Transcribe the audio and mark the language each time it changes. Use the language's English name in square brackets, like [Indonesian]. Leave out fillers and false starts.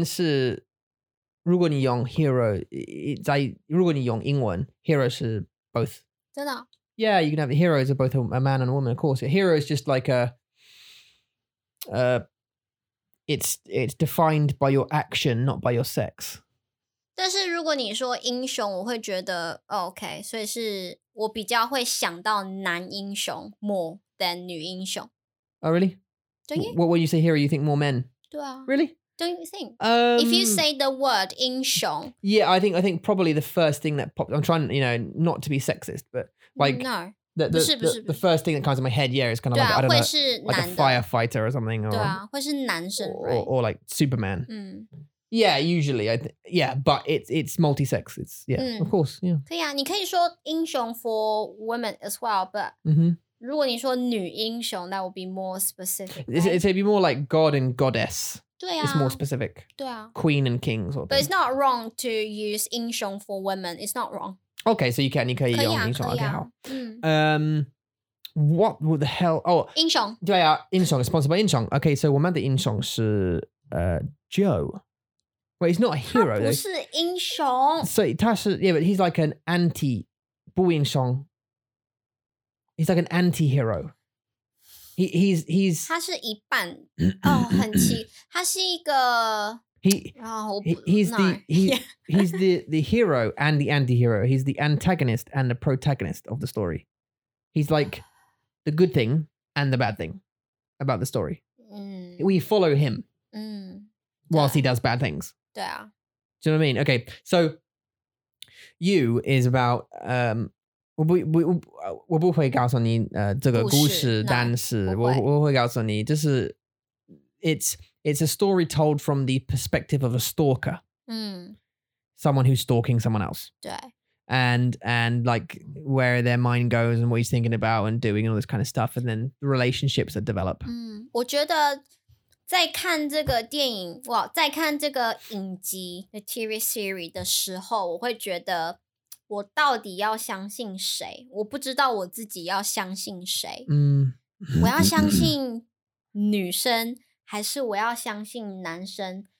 [Chinese] 就像超人有女超人一样。Yeah，但是如果你用 hero 在如果你用英文 hero 是 both. 真的。 [English] Yeah, you can have heroes of both a man and a woman, of course. A hero is just like a... it's defined by your action, not by your sex. [Chinese] 但是如果你说英雄,我会觉得...Oh, okay, 所以是我比较会想到男英雄 [English] more than [Chinese] 女英雄. [English] Oh, really? Don't you? When you say hero, you think more men? [Chinese] 对啊. [English] Really? Don't you think? If you say the word 英雄... Yeah, I think probably the first thing that popped... I'm trying, you know, not to be sexist, but... Like, no, the first thing that comes in my head, yeah, is kind of [Chinese] 对啊, [English] like, I don't know, like a firefighter or something. Or, [Chinese] 对啊, 会是男生, right? [English] or like Superman. Yeah, usually. But it's multi-sex. It's, yeah, of course. Yeah. [Chinese] 可以啊,你可以说英雄 [English] for women as well, but [Chinese] 如果你说女英雄, [English] that would be more specific. Right? It'd be more like god and goddess. [Chinese] 对啊, [English] it's more specific. [Chinese] 对啊. [English] Queen and king sort of thing. But it's not wrong to use 英雄 for women. It's not wrong. Okay, so you can [Chinese] 用英雄, [English] okay, 好. What the hell? Oh, [Chinese] 英雄. 对啊,英雄, [English] sponsored by [Chinese] 英雄. Okay, so 我们的英雄是 Joe. [English] Well, he's not a hero, [Chinese] 他不是英雄. [English] So [Chinese] 他是, [English] yeah, but he's like an anti, [Chinese] 不英雄. [English] He's like an anti-hero. He's [Chinese] 他是一半, oh, 很奇, 他是一个... [English] He's the hero and the anti-hero. He's the antagonist and the protagonist of the story. He's like the good thing and the bad thing about the story. We follow him whilst he does bad things. Do you know what I mean? Okay, so you is about... [Chinese] 我不会告诉你这个故事,但是我会告诉你就是... [English] It's a story told from the perspective of a stalker. Someone who's stalking someone else. And like where their mind goes and what he's thinking about and doing and all this kind of stuff. And then relationships that develop. [Chinese] 我觉得在看这个电影哇，在看这个影集 [English] The TV Series [Chinese] 的时候，我会觉得我到底要相信谁？我不知道我自己要相信谁。嗯，我要相信女生还是我要相信男生？